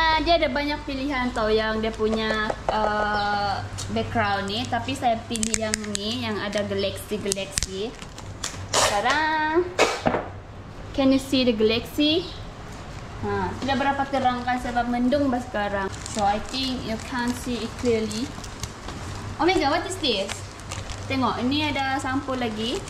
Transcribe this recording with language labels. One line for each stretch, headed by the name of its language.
Malay: Dia ada banyak pilihan tau yang dia punya background ni. Tapi saya pilih yang ni, yang ada galaxy-galaxy. Tada!
English: Can you see the galaxy?
Malay: Ha, sudah berapa terangkan sebab mendung bah sekarang.
English: So I think you can't see it clearly. Oh my god, what is this?
Malay: Tengok, ini ada sampul lagi.